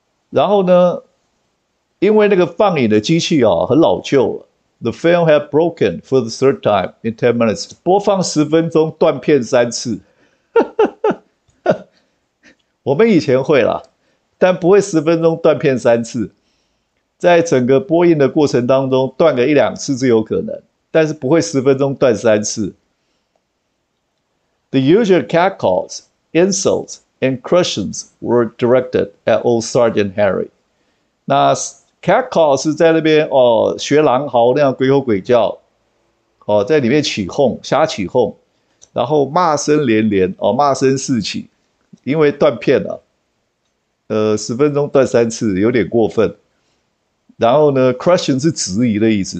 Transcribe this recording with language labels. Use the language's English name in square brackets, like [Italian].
[Chinese] 然后呢，因为那个放映的机器很老旧了， [English] The film had broken for the third time in 10 minutes， [Chinese] 播放10分钟断片3次。我们以前会啦，但不会10分钟断片3次。在整个播映的过程当中，断个一两次是有可能。但是不会十分钟断三次。 [English] The usual catcalls, insults, and questions were directed at old Sergeant Harry. [Chinese] 那 catcall 是在那边哦，学狼嚎那样鬼吼鬼叫，哦，在里面起哄，瞎起哄，然后骂声连连，哦，骂声四起，因为断片了、啊。十分钟断三次，有点过分。然后呢 ，question 是质疑的意思。